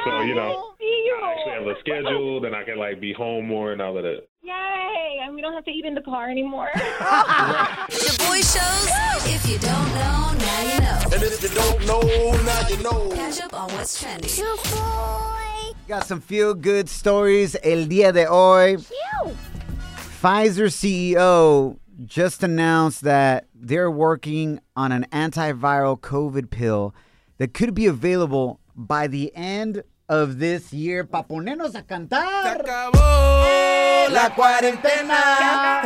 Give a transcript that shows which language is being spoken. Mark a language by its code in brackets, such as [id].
[en] So, you know, I actually have a schedule, then I can, like, be home more and all of that. Yay! And we don't have to eat in the car anymore. The boy shows, if you don't know, now you know. And if you don't know, now you know. Catch up on what's trending. Your boy. Got some feel-good stories [es] el día de hoy. [en] Pfizer CEO just announced that they're working on an antiviral COVID pill that could be available by the end of this year. [es] Pa ponernos a cantar. Se acabó la cuarentena.